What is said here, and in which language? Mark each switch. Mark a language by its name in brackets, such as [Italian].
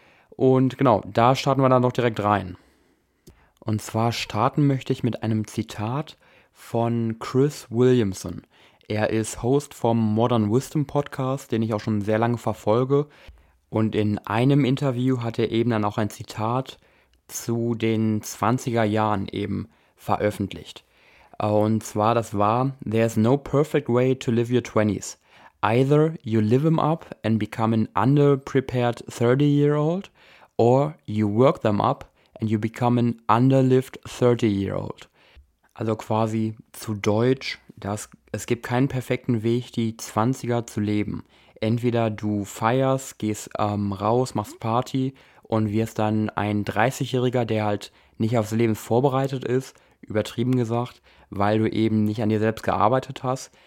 [German] Und genau, da starten wir dann doch direkt rein. Und zwar starten möchte ich mit einem Zitat von Chris Williamson. Er ist Host vom Modern Wisdom Podcast, den ich auch schon sehr lange verfolge. Und in einem Interview hat er eben dann auch ein Zitat zu den 20er Jahren eben veröffentlicht. Und zwar, das war: [English] There's no perfect way to live your 20s. Either you live them up and become an underprepared 30-year-old, or you work them up and you become an underlived 30-year-old. [German] Also quasi zu Deutsch, dass es gibt keinen perfekten Weg, die 20er zu leben. Entweder du feierst, gehst raus, machst Party und wirst dann ein 30-Jähriger, der halt nicht aufs Leben vorbereitet ist, übertrieben gesagt, weil du eben nicht an dir selbst gearbeitet hast.